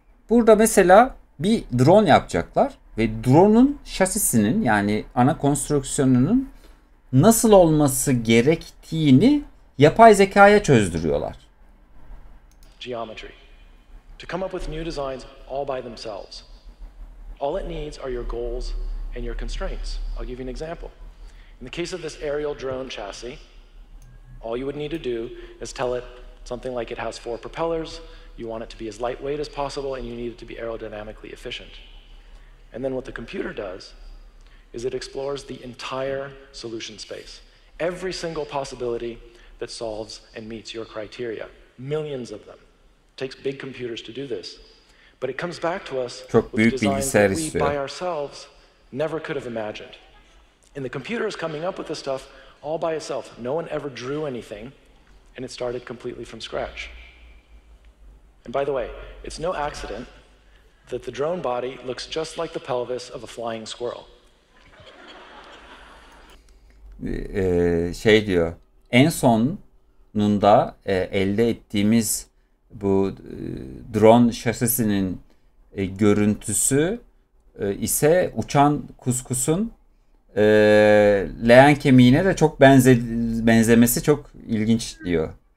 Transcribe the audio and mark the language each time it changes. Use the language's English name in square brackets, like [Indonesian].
[Turkish] Burada mesela bir drone yapacaklar ve drone'un şasisinin yani ana konstrüksiyonunun nasıl olması gerektiğini yapay zekaya çözdürüyorlar. [English] Geometry. To come up with new designs all by themselves. All it needs are your goals and your constraints. I'll give you an example. In the case of this aerial drone chassis, all you would need to do is tell it something like it has four propellers, you want it to be as lightweight as possible, and you need it to be aerodynamically efficient. And then what the computer does is it explores the entire solution space. Every single possibility that solves and meets your criteria. Millions of them. It takes big computers to do this. But it comes back to us [Turkish] Çok büyük [English] designs that we by ourselves never could have imagined. And the computer is coming up with this stuff all by itself. No one ever drew anything, and it started completely from scratch. And by the way, it's no accident that the drone body looks just like the pelvis of a flying squirrel. [Turkish] Şey diyor, en sonunda elde ettiğimiz bu drone şasisinin görüntüsü ise uçan kuskusun leğen kemiğine de çok benzemesi çok ilginç diyor.